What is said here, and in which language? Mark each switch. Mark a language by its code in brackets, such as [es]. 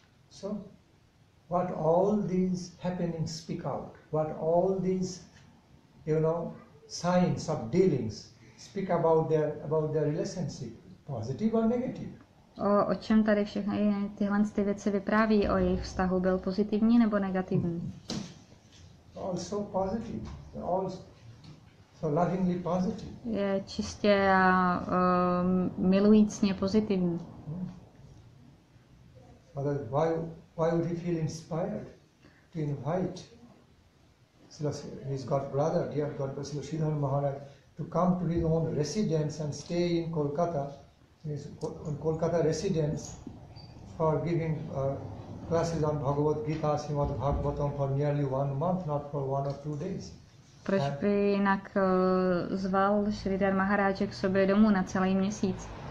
[en] So what all these happenings speak out? What all these, you know, signs of dealings speak about their relationship, positive or negative? [cs] O čem tady všechny tyhle ty věci vypráví, o jejich vztahu, byl pozitivní nebo negativní? [en] Also positive, all so lovingly positive. [cs] Je čistě a milujícně pozitivní. [en] Father, why would he feel inspired to invite his god brother, dear god brother, Srila Sridhar Maharaj, to come to his own residence and stay in Kolkata, Kolkata residence, for giving classes on Bhagavad Gita, Srimad Bhagavatam for nearly 1 month, not for 1 or 2 days. [cs] Proč by jinak zval Sridhar Maharaj k sobě domů na celý měsíc?